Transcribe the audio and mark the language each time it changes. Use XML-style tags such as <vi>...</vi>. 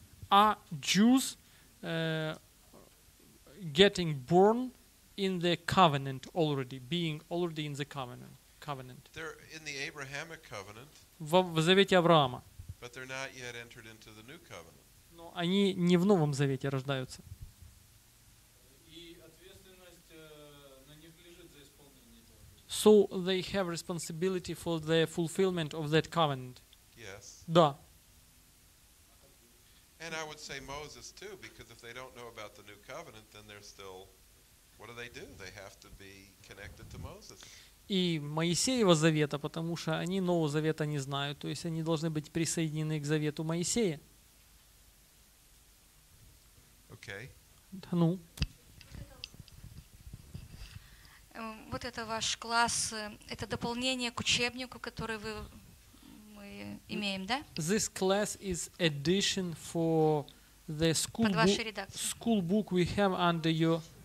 <en>Are Jews getting born in the covenant already, being already in the covenant? They're in the Abrahamic covenant.</en> <ru>В Завете Авраама.</ru> <en>But they're not yet entered into the new covenant.</en> <ru>Но они не в Новом Завете рождаются. И ответственность на них лежит за исполнение этого.</ru> <en>So they have responsibility for the fulfillment of that covenant. Yes.</en> <ru>Да.</ru> <en>And I would say Moses too, because if they don't know about the new covenant, then they're still, what do? They have to be connected to Moses.</en> <ru>И Моисеева завета, потому что они Нового Завета не знают, то есть они должны быть присоединены к завету Моисея.</ru> <en>Okay.</en> <ru>Да ну. Вот это ваш класс, это дополнение к учебнику, который вы... имеем, да?</ru> <en>This class is addition for the school book we have under your...</en>